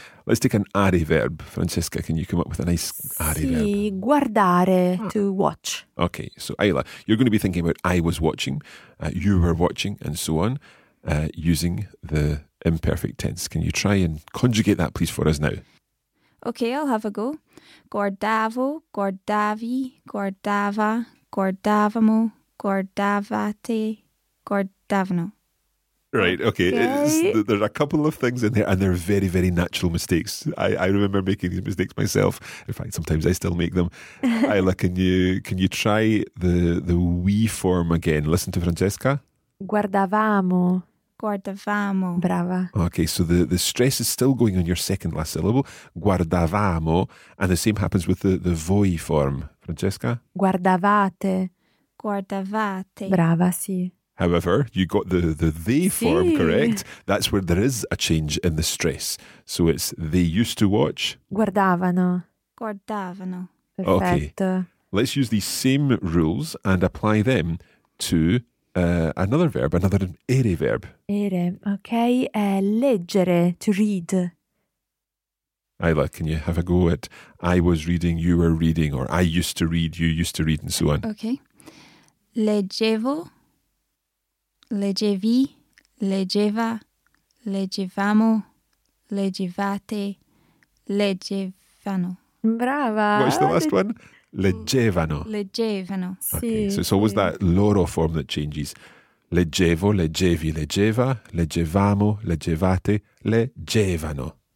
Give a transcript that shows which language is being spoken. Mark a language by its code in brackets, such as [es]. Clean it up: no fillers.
[en] Let's take an are verb. Francesca, can you come up with a nice are [it] sì, [en] verb? [it] Sì, guardare, to watch. [en] Okay, so Ayla, you're going to be thinking about I was watching, you were watching, and so on, using the imperfect tense. Can you try and conjugate that, please, for us now? Okay, I'll have a go. [it] Guardavo, guardavi, guardava, guardavamo, guardavate, guardavano. [en] Right, okay. Okay. There's a couple of things in there, and they're very, very natural mistakes. I remember making these mistakes myself. In fact, sometimes I still make them. Ayla, can you try the we form again? Listen to Francesca. [it] Guardavamo. Guardavamo. Brava. [en] Okay, so the stress is still going on your second last syllable. Guardavamo. And the same happens with the voi form. Francesca? [it] Guardavate. Guardavate. Brava, sì. [en] However, you got the form correct. That's where there is a change in the stress. So it's they used to watch. [it] Guardavano. Guardavano. Perfetto. [en] Okay. Let's use these same rules and apply them to another verb, another ere verb. [it] Ere, okay. Leggere, to read. [en] Ayla, can you have a go at I was reading, you were reading, or I used to read, you used to read, and so on. [it] Okay. Leggevo. Leggevi, leggeva, leggevamo, leggevate, leggevano. Brava! [en] What's the last one? Leggevano. [it] Leggevano. [en] Okay, so it's always that loro form that changes. [it] Leggevo, leggevi, leggeva, leggevamo, leggevate, leggevano.